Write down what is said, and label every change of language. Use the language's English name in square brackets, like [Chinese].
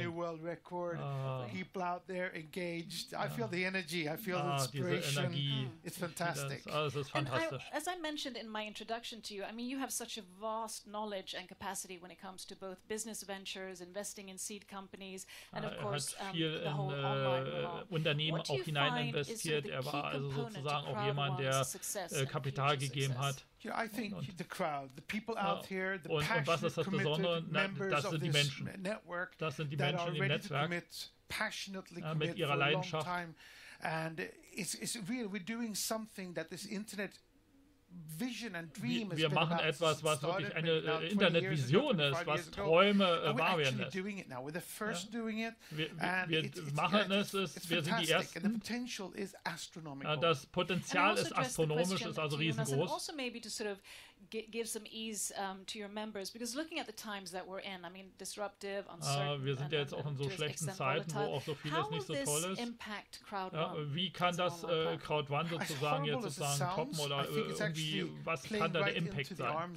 [English] A new world record. People out there engaged. I feel the energy. I feel the inspiration. It's fantastic. [German] Das ist fantastisch. [English] As I mentioned in my introduction to you, I mean, you have such a vast knowledge and capacity when it comes to both business ventures, investing in seed companies and of course [German] hat viel in Unternehmen auch hinein investiert. Er war also sozusagen auch jemand, der Kapital gegeben hat. [English] I think the crowd, the people out here, the [German] und was ist das Besondere? Das sind die Menschen. Das sind die Menschen im Netzwerk mit ihrer Leidenschaft. [English] And it's real. We're doing something that this internet vision and dream [German] wir machen etwas, was wirklich eine Internetvision ist, was Träume wahr werden lässt. Wir sind die Ersten. Das Potenzial ist astronomisch, ist also riesengroß. [English] Give some ease to your members because looking at the times that we're in, I mean, disruptive, uncertain, [German] wir sind ja jetzt auch in so schlechten Zeiten, wo auch so vieles nicht so toll ist. [English] Impact Crowd One? [German] Wie kann das Crowd One sozusagen jetzt sozusagen toppen oder irgendwie, was kann da der Impact sein?